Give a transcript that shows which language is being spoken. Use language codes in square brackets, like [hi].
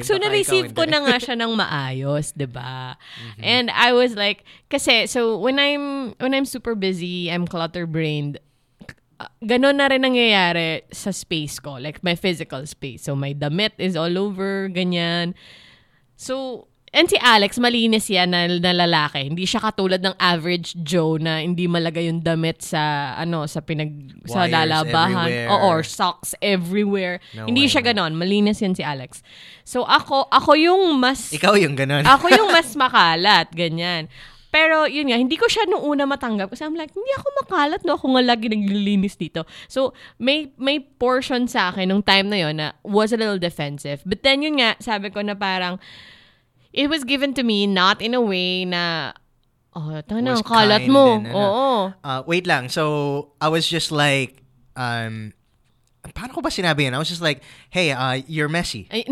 [tl] so, na-receive ko na nga siya ng maayos, di ba? Mm-hmm. [en] And I was like, kasi, so when I'm super busy, I'm clutter-brained, [tl] ganon na rin nangyayari sa space ko, [en] like my physical space. So, my damit is all over, ganyan. [tl] So, and si Alex, malinis yan na lalaki. Hindi siya katulad ng average Joe na hindi malaga yung damit sa lalabahan. Or socks everywhere. No, hindi siya ganon. Malinis yan si Alex. So, ako yung mas... Ikaw yung ganon. Ako yung mas makalat, ganyan. Pero yun nga, hindi ko siya nung una matanggap kasi I'm like, hindi ako makalat, no? Ako nga lagi naglilinis dito. So, may portion sa akin nung time na yun na was a little defensive. [en] But then yun nga, sabi ko na parang, it was given to me not in a way na [tl] Wait lang. [en] So I was just like, [tl] paano ko ba sinabi yan? [en] I was just like, hey, you're messy.